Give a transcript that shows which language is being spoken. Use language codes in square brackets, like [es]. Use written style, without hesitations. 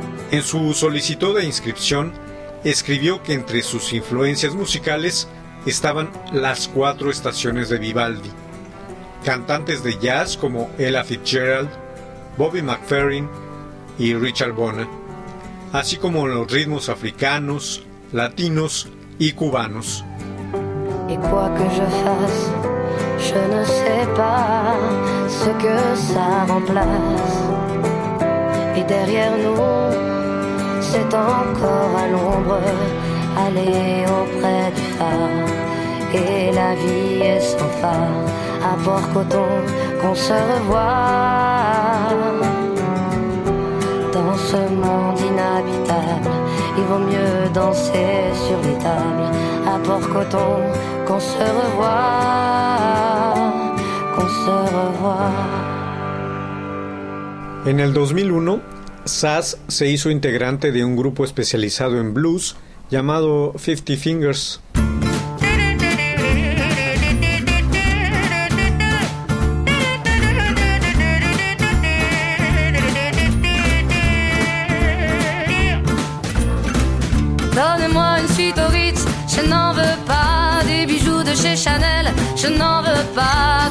[es] En su solicitud de inscripción, escribió que entre sus influencias musicales estaban las cuatro estaciones de Vivaldi, cantantes de jazz como Ella Fitzgerald, Bobby McFerrin y Richard Bona, así como los ritmos africanos, latinos y cubanos. [fr] Y quoi que je fasse, je ne sais pas ce que ça remplace. Y derrière nous, c'est encore à l'ombre, aller auprès du phare. Et la vie est sans phare, à Port-Coton, qu'on se revoit. Dans ce monde inhabitable, il vaut mieux danser sur les tables, à Port-Coton, qu'on se revoit, qu'on se revoit. [es] En el 2001, Sass se hizo integrante de un grupo especializado en blues llamado 50 Fingers. [fr] Donne-moi une suite au Ritz, je n'en veux pas des bijoux de chez Chanel, je n'en veux pas.